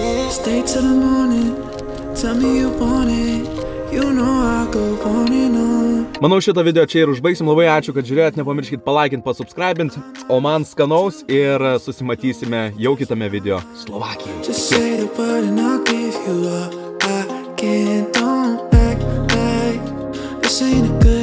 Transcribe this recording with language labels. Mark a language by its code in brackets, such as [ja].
[en] Stay till the morning, tell me you want it, you know I go on and on. [lt] Manau, šitą video čia ir užbaigsim. Labai ačiū, kad žiūrėjot, nepamirškit palaikint, pasubscribint, o man skanaus ir susimatysime jau kitame video Slovakijoje. [en] Just say the word and I'll give you all I can't, don't act like this ain't a